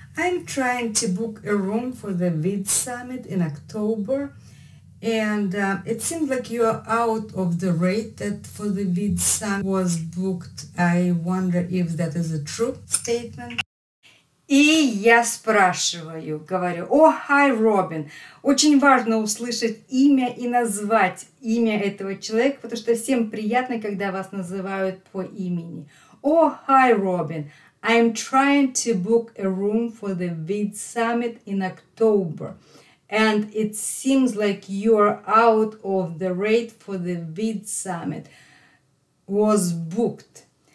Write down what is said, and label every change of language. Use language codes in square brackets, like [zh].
[en] I'm trying to book a room for the VID Summit in October. And it seems like you're out of the rate that for the VID Summit was booked. I wonder if that is a true statement. [ru] И я спрашиваю, говорю, о, hi, Robin. Очень важно услышать имя и назвать имя этого человека, потому что всем приятно, когда вас называют по имени. [en] О, hi, Robin. I'm trying to book a room for the VID Summit in October. And it seems like you're out of the rate for the VID Summit was booked.